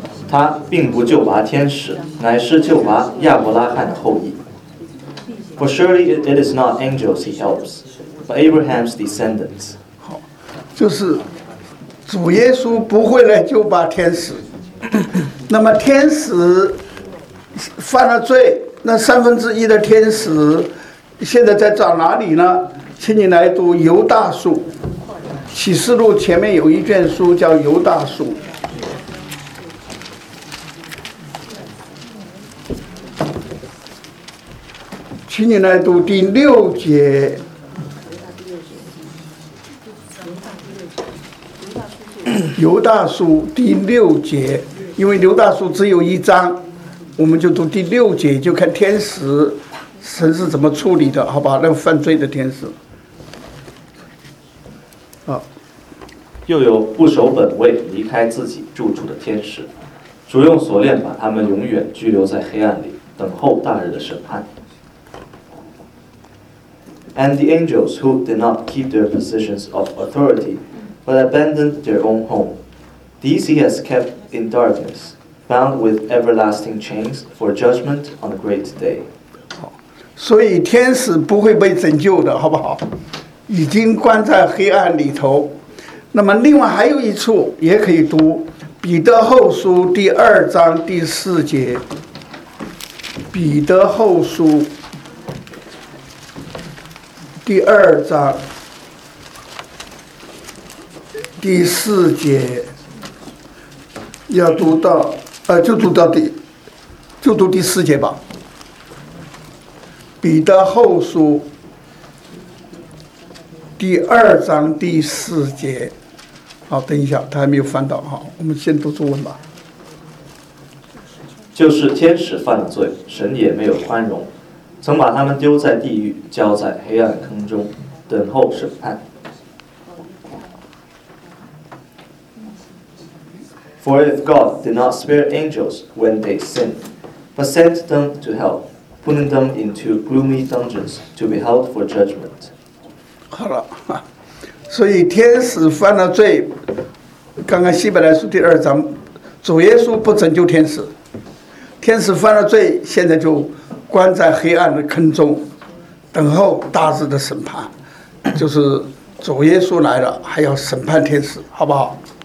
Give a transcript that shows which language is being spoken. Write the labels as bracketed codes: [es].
[zh] 他并不救拔天使，乃是救拔亚伯拉罕的后裔。 [en] For surely it is not angels he helps, but Abraham's descendants. [zh] 好，就是主耶稣不会来救拔天使。那么天使犯了罪，那三分之一的天使现在在找哪里呢？请你来读犹大书，启示录前面有一卷书叫犹大书。请你来读第六节。犹大书第六节，因为犹大书只有一章，我们就读第六节，就看天使神是怎么处理的，好吧？那个犯罪的天使。又有不守本位离开自己住处的天使，主用锁链把他们永远拘留在黑暗里，等候大日的审判。 [en] And the angels who did not keep their positions of authority, but abandoned their own home, these he has kept in darkness, bound with everlasting chains for judgment on a great day. [zh] 所以天使不会被拯救的，好不好？已经关在黑暗里头。那么另外还有一处也可以读，彼得后书第二章第四节，彼得后书第二章第四节，要读到就读到第，就读第四节吧。彼得后书第二章第四节，好，等一下，他还没有翻到，好，我们先读中文吧。就是天使犯了罪，神也没有宽容，曾把他们丢在地狱，交在黑暗坑中，等候审判。 [en] For if God did not spare angels when they sinned, but sent them to hell, putting them into gloomy dungeons to be held for judgment. [zh] 好了，所以天使犯了罪，刚刚希伯来书第二章，主耶稣不拯救天使，天使犯了罪，现在就关在黑暗的坑中，等候大日的审判，就是主耶稣来了，还要审判天使，好不好？